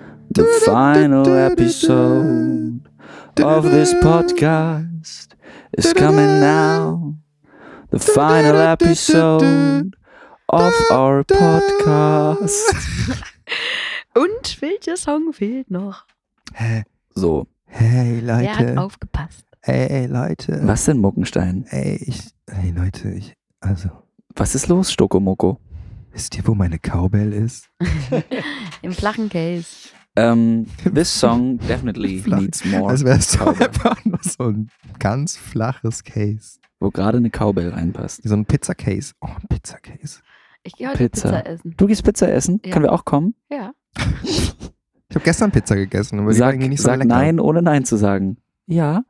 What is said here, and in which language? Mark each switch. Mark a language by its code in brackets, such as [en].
[en] The final episode of this podcast is coming now. The final episode of our podcast. [de] Und welcher Song fehlt noch? Hä? So. Hey Leute. Er hat aufgepasst. Ey, Leute. Was denn, Muckenstein? Was ist los, Stokomoko? Wisst ihr, wo meine Cowbell ist? Im flachen Case. [en] This song definitely needs more. [de] Als wäre es so einfach nur so ein ganz flaches Case. Wo gerade eine Cowbell reinpasst. So ein Pizza-Case. Oh, ein Pizza-Case. Ich gehe heute Pizza essen. Du gehst Pizza essen? Ja. Können wir auch kommen? Ja. Ich habe gestern Pizza gegessen. Aber sag irgendwie nicht so sag lecker. Nein, ohne Nein zu sagen. Ja.